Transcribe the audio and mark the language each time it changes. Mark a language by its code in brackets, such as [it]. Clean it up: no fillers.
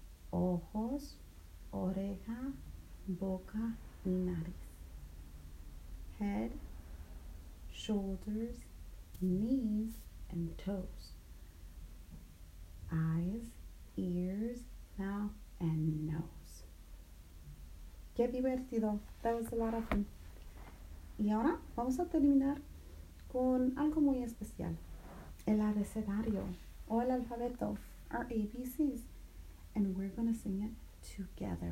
[es] Ojos, oreja, boca y nariz. [en] Head, shoulders, knees and toes. Eyes, ears, mouth and nose. [es] ¡Qué divertido! [en] That was a lot of fun. [es] Y ahora vamos a terminar con algo muy especial. El abecedario o el alfabeto, [en] our ABCs. And we're going to sing it together.